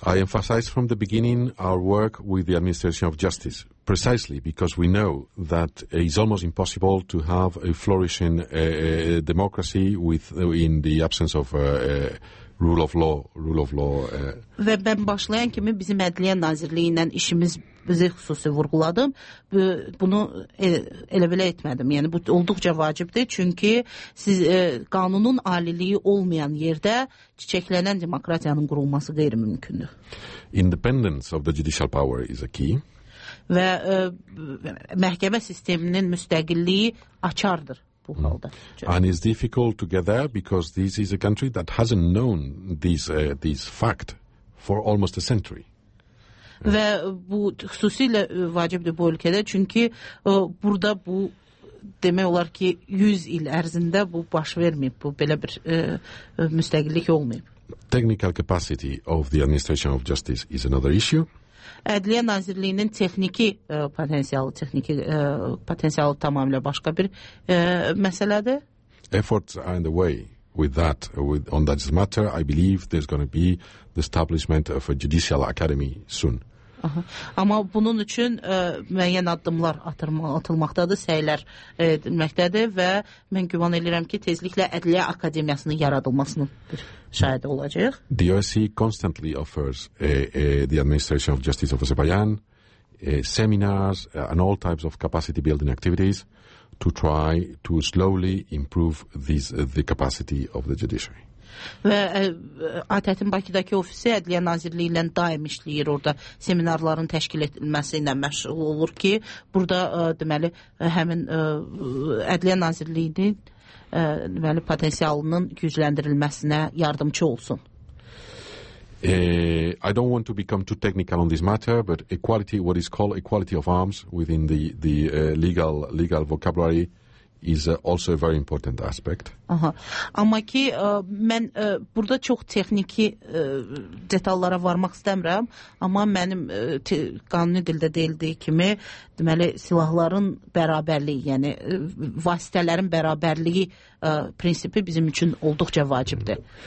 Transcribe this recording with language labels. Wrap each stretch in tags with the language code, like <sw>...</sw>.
<en>I emphasized from the beginning our work with the administration of justice, precisely because we know that it's almost impossible to have a flourishing democracy in the absence of rule of law.</en> <az>Və mən başlayan kimi bizim Ədliyyə Nazirliyi ilə işimiz bizi xüsusi vurguladım. Bunu elə belə etmədim. Yəni bu olduqca vacibdir, çünki siz qanunun aliliyi olmayan yerdə çiçəklənən demokratiyanın qurulması qeyri-mümkündür.</az> <en>Independence of the judicial power is a key.</en> <az>Və məhkəmə sisteminin müstəqilliyi açardır bu halda.</az> <en>And it's difficult to get there because this is a country that hasn't known this fact for almost a century.</en> <az>Və bu xüsusilə vacibdir bu ölkədə, çünki burada bu demək olar ki 100 il ərzində bu baş verməyib, bu belə bir müstəqillik olmayıb.</az> <en>Technical capacity of the administration of justice is another issue.</en> <az>Ədliyyə Nazirliyinin texniki potensialı tamamilə başqa bir məsələdir.</az> <en>Efforts are in the way on that matter. I believe there's going to be the establishment of a judicial academy soon.</en> <az>Amma bunun üçün müəyyən addımlar atılmaqdadır, səylər edilməkdədir və mən güman edirəm ki, tezliklə Ədliyyə Akademiyasının yaradılmasının bir şahidi olacaq.</az> <en>The OSC constantly offers the administration of justice of Azerbaijan seminars and all types of capacity building activities to try to slowly improve the capacity of the judiciary.</en> <az>Və ATƏT-in Bakıdakı ofisi Ədliyyə Nazirliyi ilə daim işləyir orada, seminarların təşkil edilməsi ilə məşğul olur ki, burada deməli həmin Ədliyyə Nazirliyinin deməli potensialının gücləndirilməsinə yardımcı olsun.</az> <en>I don't want to become too technical on this matter, but equality, what is called equality of arms within the legal vocabulary, is also a very important aspect. Aha.</en> <az>Amma ki mən burada çox texniki detallara varmaq istəmirəm, amma mənim qanuni dildə deyildiyi kimi, deməli silahların bərabərliyi, yəni vasitələrin bərabərliyi prinsipi bizim üçün olduqca vacibdir.</az>